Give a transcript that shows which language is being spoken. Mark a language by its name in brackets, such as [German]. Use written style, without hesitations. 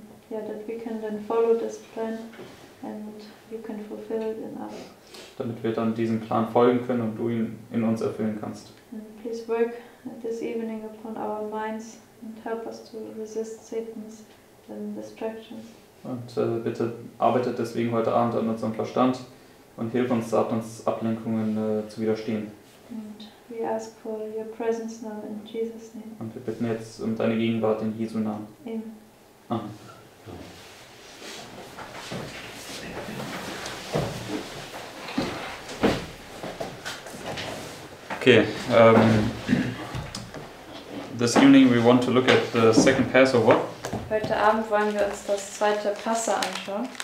[English] That we can then follow this plan and you can fulfill it in us. [German] Damit wir dann diesem Plan folgen können und du ihn in uns erfüllen kannst. [English] And please work this evening upon our minds and help us to resist Satan's distractions. [German] Und bitte arbeitet deswegen heute Abend an unserem Verstand und hilf uns, Satans Ablenkungen zu widerstehen. [English] And we ask for your presence now in Jesus' name. [German] Und wir bitten jetzt um deine Gegenwart in Jesu Namen. [English] Amen. [German] Amen. [English] Okay. This evening we want to look at the second Passover. [German] Heute Abend wollen wir uns das zweite Passa anschauen.